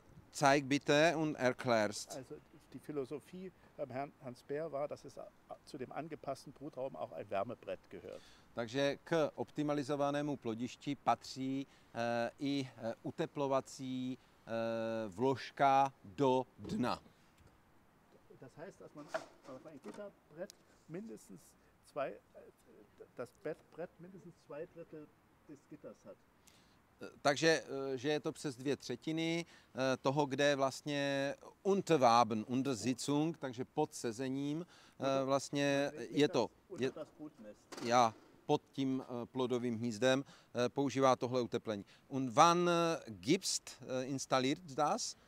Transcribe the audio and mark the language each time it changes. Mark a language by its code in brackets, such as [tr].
[de] Zeig bitte und erklärst. Also die Philosophie beim Herrn Hans Bär war, dass es zu dem angepassten Brutraum auch ein Wärmebrett gehört. [cs] Takže k optimalizovanému plodišti patří i uteplovací vložka do dna. [de] Das heißt, dass man auf ein Gitterbrett mindestens zwei, das Bettbrett mindestens zwei Drittel des Gitters hat. [cs] Takže že je to přes dvě třetiny toho, kde vlastně [de] unterwaben, unter Sitzung, [cs] takže pod sezením vlastně je to. Já pod tím plodovým hnízdem používá tohle uteplení. [de] Und wann gibst installiert das?